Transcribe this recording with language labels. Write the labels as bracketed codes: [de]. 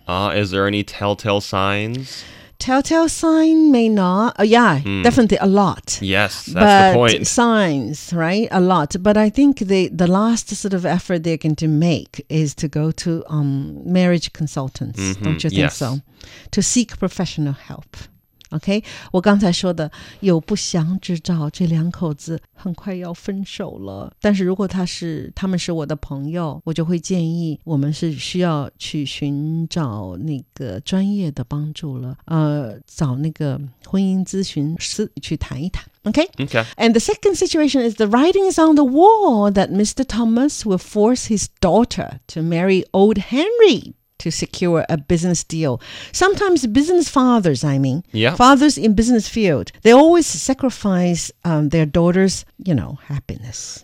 [en] Is there any telltale signs? Telltale sign may not. Definitely a lot. Yes, that's but the point. But signs, right? A lot. But I think the last sort of effort they're going to make is to go to marriage consultants, mm-hmm. don't you think yes. so? To seek professional help. [zh] Okay, 我刚才说的有不祥之兆，这两口子很快要分手了。但是如果他们是我的朋友，我就会建议我们是需要去寻找那个专业的帮助了。找那个婚姻咨询师去谈一谈。 [en] Okay? Okay. And the second situation is the writing is on the wall that Mr. Thomas will force his daughter to marry old Henry. To secure a business deal. Sometimes business fathers, fathers in business field, they always sacrifice their daughters, happiness.